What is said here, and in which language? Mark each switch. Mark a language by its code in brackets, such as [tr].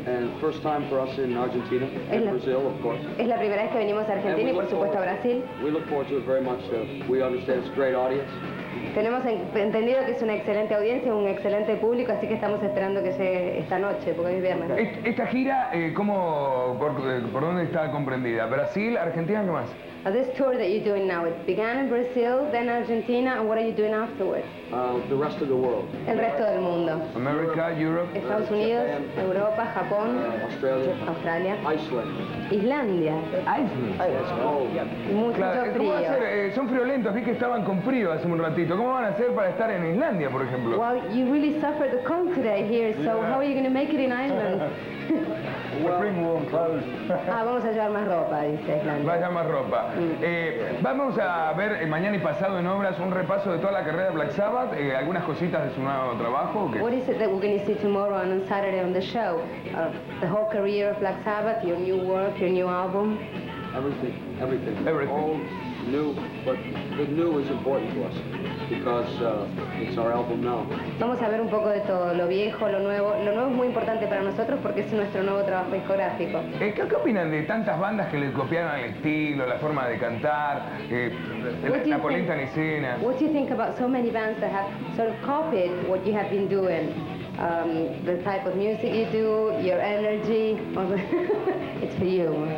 [en] And first time for us in Argentina and Brazil, of course. [es] Es la primera vez que venimos a Argentina y por supuesto a Brasil. [en] We look forward to it very much. We understand it's a great audience. [es] Tenemos entendido que es una excelente audiencia, un excelente público, así que estamos esperando que llegue esta noche, porque es viernes. Esta gira, ¿por dónde está comprendida? ¿Brasil, Argentina, qué más? [en] This tour that you're doing now, it began in Brazil, then Argentina, and what are you doing afterwards? The rest of the world. [es] El resto del mundo. [en] America, Europe. [es] Estados Unidos, Japan, Europa, Japón. [en] Australia. Iceland. [es] Islandia. [en] Iceland. [es] Oh, yeah. Mucho frío. ¿Cómo van a hacer? Son friolentos, vi que estaban con frío hace un ratito. ¿Cómo van a hacer para estar en Islandia, por ejemplo? [en] Well, you really suffered the cold today here, so yeah. How are you going to make it in Iceland? Bring warm clothes. [es] Vamos a llevar más ropa, dice Islandia. Vaya más ropa. Vamos a ver mañana y pasado en obras un repaso de toda la carrera de Black Sabbath, algunas cositas de su nuevo trabajo. ¿Qué? [en] What is it that we're going to see tomorrow and on Saturday on the show? The whole career of Black Sabbath, your new work, your new album. Everything. Old. New, but the new is important to us because it's our album now. [es] Vamos a ver un poco de todo, lo viejo, lo nuevo. Lo nuevo es muy importante para nosotros porque es nuestro nuevo trabajo discográfico. ¿Qué opinan de tantas bandas que le copiaron el estilo, la forma de cantar, la polenta en escena? [en] What do you think about so many bands that have sort of copied what you have been doing? The type of music you do, your energy, it's for you.